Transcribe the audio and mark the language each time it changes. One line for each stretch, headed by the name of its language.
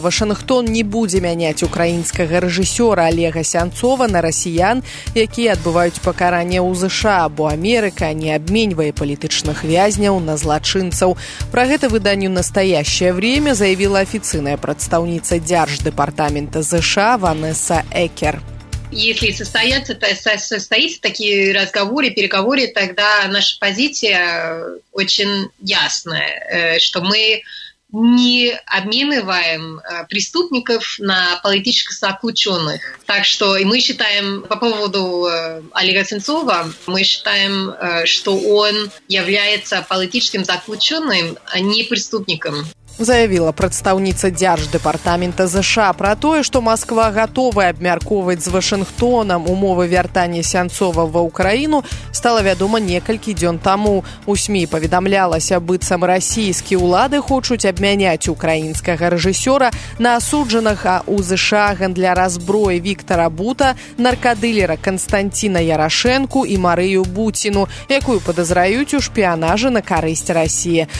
Belarusian: Вашынгтон не будзе мяняць украінскага рэжысёра Алега Сянцова на расіян, якія адбываюць пакаранне ў США, бо Амерыка не абменьвае палітычных вязняў на злачынцаў. Пра гэта выданню «Настаящае время» заявіла афіцыйная прадстаўніца Дзярждэпартамента США Ванесса Экер.
Russian: Если состоится такие разговоры, переговоры, тогда наша позиция очень ясная, что мы не обмениваем преступников на политических заключенных. Так что и мы считаем, по поводу Олега Сенцова, мы считаем, что он является политическим заключенным, а не преступником.
Belarusian: Заявіла прадстаўніца Дзярждэпартамента США пра тое, што Москва гатовая абмяркоўваць з Вашынгтонам умовы вяртання Сянцова ва Украіну, стала вядома некалькі дзён таму. У СМІ паведамлялася, быццам расійскія ўлады хочуць абмяняць украінскага рэжысёра на асуджанага ў США гандляра зброі Віктара Бута, наркадылера Канстанціна Ярашэнку і Марыю Буціну, якую падазраюць у шпіянажы на карысць Расіі.